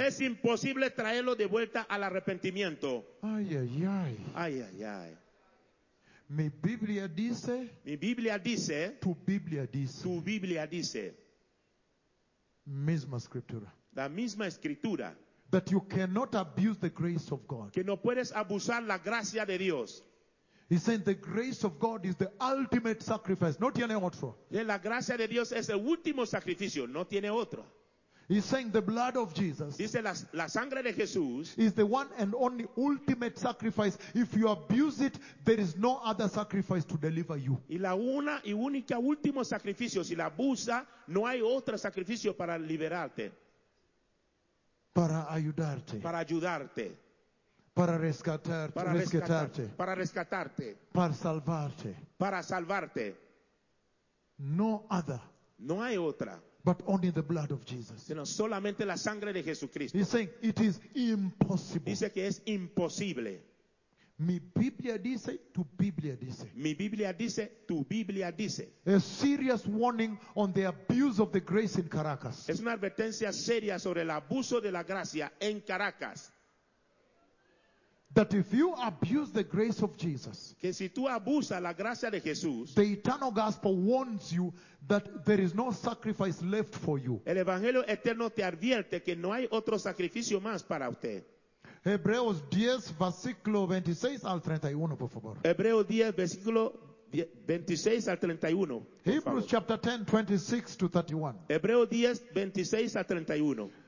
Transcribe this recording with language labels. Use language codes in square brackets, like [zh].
[es] Es imposible traerlo de vuelta al arrepentimiento. Ay, ay, ay. Ay, ay, ay. Mi Biblia dice. Tu Biblia dice. Tu Biblia dice. Misma Escritura. La misma Escritura. [en] That you cannot abuse the grace of God. [es] Que no puedes abusar la gracia de Dios. [en] He said the grace of God is the ultimate sacrifice. [es] No tiene otro. La gracia de Dios es el último sacrificio. No tiene otro. [en] He's saying the blood of Jesus, [es] dice la sangre de Jesús, [en] is the one and only ultimate sacrifice. If you abuse it, there is no other sacrifice to deliver you. [es] Y la una y única último sacrificio, si la abusa, no hay otro sacrificio para liberarte. Para ayudarte. Para ayudarte. Para rescatarte. Para rescatarte. Para rescatarte. Para salvarte. Para salvarte. [en] No other. [es] No hay otra. [en] But only the blood of Jesus. [es] Sino solamente la sangre de Jesucristo. [en] He's saying it is impossible. [es] Dice que es imposible. Mi Biblia dice, tu Biblia dice. Mi Biblia dice, tu Biblia dice. [en] A serious warning on the abuse of the grace in Caracas. [es] Es una advertencia seria sobre el abuso de la gracia en Caracas. [en] That if you abuse the grace of Jesus, [es] que si tú abusas la gracia de Jesús, [en] the eternal gospel warns you that there is no sacrifice left for you. [es] El evangelio eterno te advierte que no hay otro sacrificio más para usted. Hebreos 10, versículo 26 al 31, por favor. Hebreos 10, versículo 26 al 31. [en] Hebrews chapter 10, 26 to 31. [es] Hebreos 10, 26 al 31.